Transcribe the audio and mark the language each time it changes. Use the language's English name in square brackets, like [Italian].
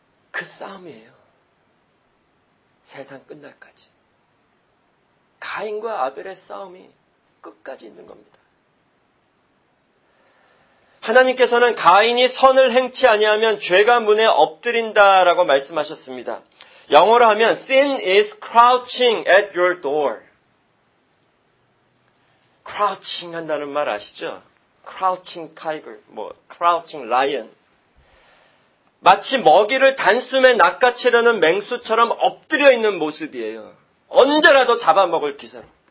[Korean] 그 싸움이에요. 세상 끝날까지. 가인과 아벨의 싸움이 끝까지 있는 겁니다. 하나님께서는 가인이 선을 행치 아니하면 죄가 문에 엎드린다라고 말씀하셨습니다. 영어로 하면 [English] Sin is crouching at your door. [Korean] Crouching 한다는 말 아시죠? [English] Crouching tiger, [Korean] 뭐 [English] crouching lion. [Korean] 마치 먹이를 단숨에 낚아채려는 맹수처럼 엎드려 있는 모습이에요. 언제라도 잡아먹을 기세로.